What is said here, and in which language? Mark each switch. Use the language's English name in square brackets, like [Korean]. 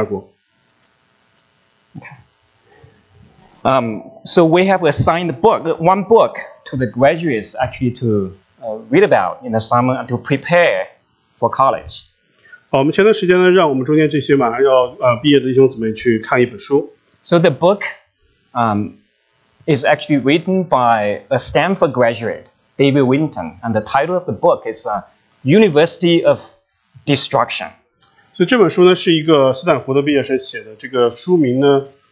[English] So we have assigned one book to the graduates actually to read about in the summer and to prepare for college. [Chinese] 我们前段时间呢，让我们中间这些马上要毕业的弟兄姊妹去看一本书。 [English] So the book is actually written by a Stanford graduate, David Winton, and the title of the book is University of Destruction. [Chinese] 所以这本书呢，是一个斯坦福的毕业生写的，这个书名呢。